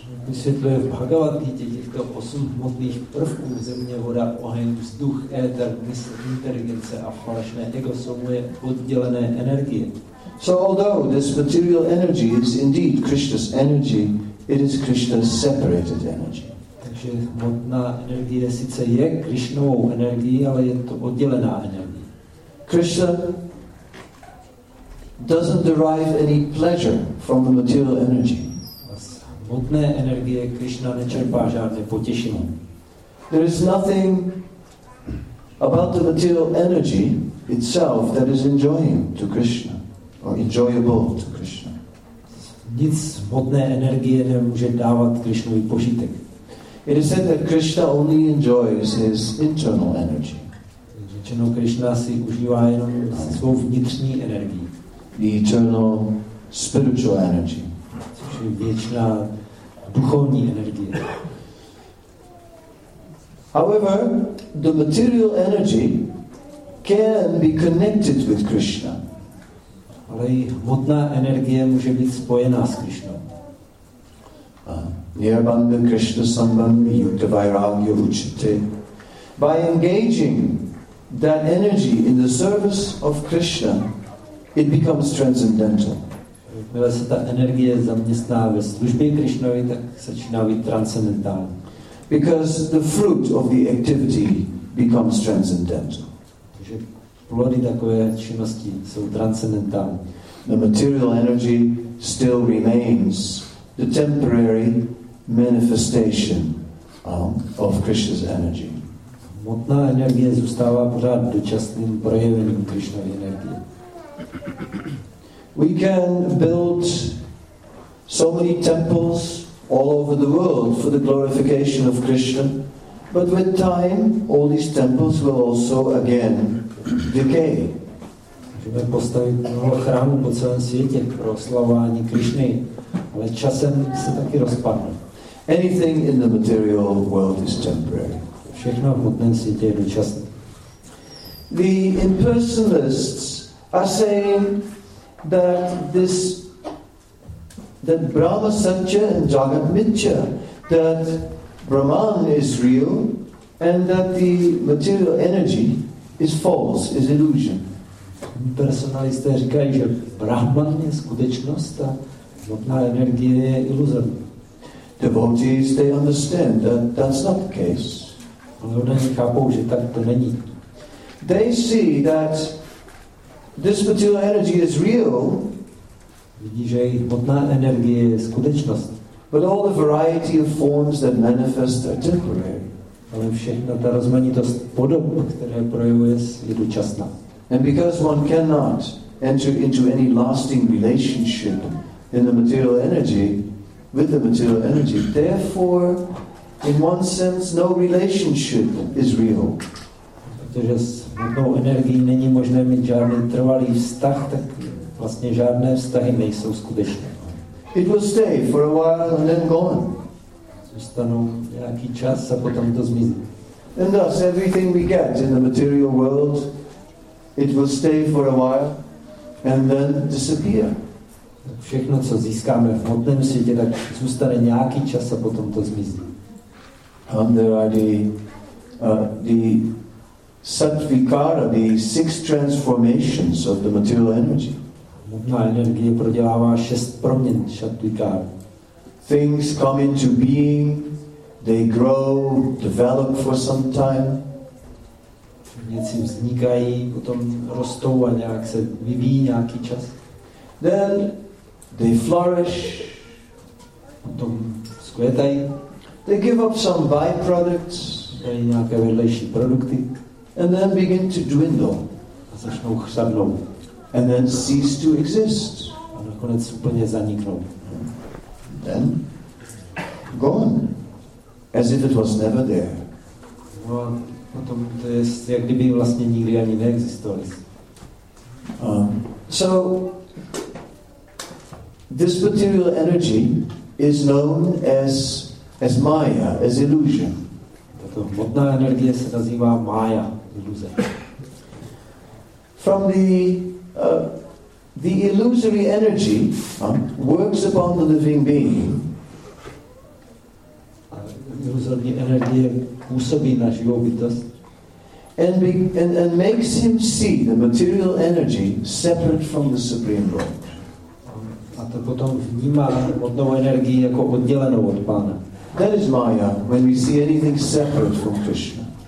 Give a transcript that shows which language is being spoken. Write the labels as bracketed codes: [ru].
[cs] Vysvětluje v Bhagavad Gita těchto osm hmotných prvků, země, voda, oheň, vzduch, éter, mysl, inteligence a falešné ego jsou moje oddělené energie. [en] So although this material energy is indeed Krishna's energy, it is Krishna's separated energy. [cs] Takže hmotná energie sice je Krishnovou energií, ale je to oddělená energie. [en] Krishna doesn't derive any pleasure from the material energy. [cs] Z hmotné energie Krishna nečerpá žádné potěšení. [en] There is nothing about the material energy itself that is enjoying to Krishna. Or enjoyable to Krishna. [cs] Nic hmotné energie nemůže dávat Krishnovi požitek. [en] It is said that Krishna only enjoys his internal energy. [cs] Řečeno, Krishna si užívá jenom svou vnitřní energii. [en] The eternal spiritual energy. [cs] Což je věčná duchovní energie. [en] However, the material energy can be connected with Krishna. [cs] Ale i hmotná energie může být spojená s Krishnou. [sa] Nirbandha Krishna sambandha yukta vairagya uchite. [en] By engaging that energy in the service of Krishna, it becomes transcendental. [cs] Jakmile se ta energie zaměstná ve službě Krishnovi, tak začíná být transcendentální. [en] Because the fruit of the activity becomes transcendental. [cs] Plody takové činnosti jsou transcendentální. [en] The material energy still remains the temporary manifestation of Krishna's energy. [cs] Hmotná energie zůstává pořád dočasným projevením Krishnovy energie. [en] We can build so many temples all over the world for the glorification of Krishna, but with time all these temples will also again decay. [cs] Můžeme postavit mnoho chrámů po celém světě pro oslavování Krišny, ale časem se taky rozpadne. [en] Anything in the material world is temporary. [cs] Všechno v hmotném světě je dočasné. [en] The impersonalists are saying that this that [sa] Brahma Satya [en] and [sa] Jagat Mitya, [en] that Brahman is real and that the material energy is false, is illusion. [cs] Impersonalisté říkají, že Brahman je skutečnost a hmotná energie je iluzorní. [en] Devotees, they understand that that's not the case. [cs] Ale oni chápou, že tak to není. [en] They see that this material energy is real. [cs] Vidí, že hmotná energie je skutečnost. [en] But all the variety of forms that manifest are temporary. [cs] Ale všechna ta rozmanitost podob, které projevuje, je dočasná. [en] And because one cannot enter into any lasting relationship in the material energy, with the material energy, therefore, in one sense, no relationship is real. [cs] Protože s hmotnou energií není možné mít žádný trvalý vztah, tak vlastně žádné vztahy nejsou skutečné. [en] It will stay for a while and then gone. [cs] Zůstanou nějaký čas a potom to zmizí. [en] And thus, everything we get in the material world, it will stay for a while and then disappear. [cs] Všechno, co získáme v hmotném světě, tak zůstane nějaký čas a potom to zmizí. [en] There are the sattvikara, the six transformations of the material energy. [cs] Hmotná energie prodělává šest proměn sattvikara. [en] Things come into being, they grow, develop for some time. [cs] Věci vznikají, potom rostou a nějak se vyvíjí nějaký čas. [en] Then they flourish, [cs] potom zkvětají. [en] They give up some byproducts, [cs] dají nějaké vedlejší produkty. [en] And then begin to dwindle. [cs] A začnou chřadnout. [en] and then cease to exist. [cs] A nakonec úplně zaniknou. [en] Then gone, as if it was never there. [cs] No, potom to je, jak kdyby vlastně nikdy ani neexistovali. [en] So this material energy is known as Maya, as illusion. [cs] Tato hmotná energie se nazývá Maya, iluze. [en] From the illusory energy works upon the living being. [cs] Iluzorní energie působí na živou bytost. [en] And makes him see the material energy separate from the Supreme Lord. [cs] A to potom vnímá hmotnou energii jako oddělenou od Pána. [en] That is Maya, when we see anything separate from Krishna.